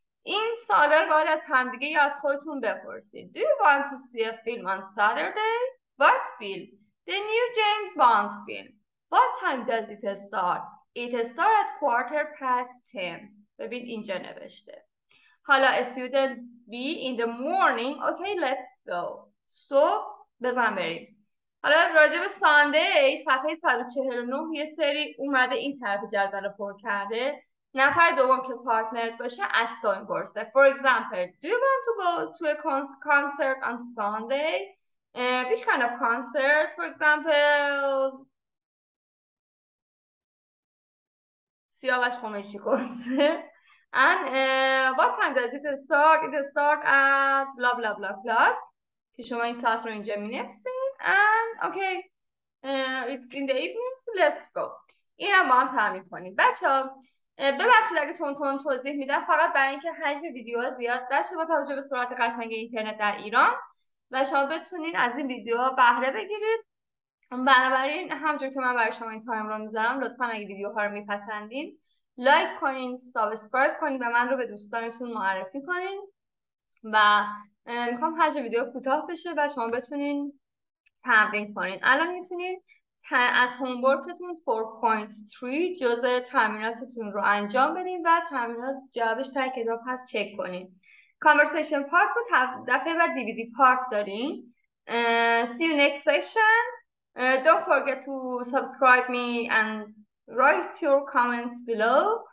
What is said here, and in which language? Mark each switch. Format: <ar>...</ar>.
<fa>این سوالا رو باید از همدیگه یا از خودتون بپرسید.</fa> <en>Do you want to see a film on Saturday? What film? The new James Bond film. What time does it start? It starts at 10:15.</en> <fa>ببین اینجا نوشته. حالا</fa> <en>student B in the morning. Okay, let's go.</en> <fa>صبح بزن بریم. حالا راجع به سانده صفحه 149 یه سری اومده این طرف جدول رو پر کرده. نفر دوم که پارتنرت باشه از تو این برسه.</fa> <en>For example, do you want to go to a concert on Sunday? Which kind of concert, for example?</en> <fa>سیاوش خمشی کنسرت.</fa> <en>And what time does it start? It starts at blah blah blah blah.</en> <fa>که شما این ساعت رو اینجا می نفسین.</fa> <en>And okay, it's in the evening, let's go.</en> <fa>این هم با هم تمرین کنیم. بچه ها ببخشید اگه تون تون توضیح میدم، فقط برای اینکه حجم ویدیو زیاد نشه با توجه به سرعت قشنگ اینترنت در ایران و شما بتونین از این ویدیو بهره بگیرید. بنابراین همجور که من برای شما این تایم رو میذارم، لطفا اگه ویدیوها رو میپسندین لایک کنین، سابسکرایب کنین و من رو به دوستانتون معرفی کنین و میخوام حجم ویدیو کوتاه بشه و شما بتونین تمرین کنین. الان میتونین از هومورکتون 4.3 جزء تمریناتتون رو انجام بدین و تمرینات جوابش تا کتاب هست چک کنین. کانورسیشن پارت رو دفعه بعد دی وی دی پارت دارین.</fa> <en>See you next session. Don't forget to subscribe me and write your comments below.</en>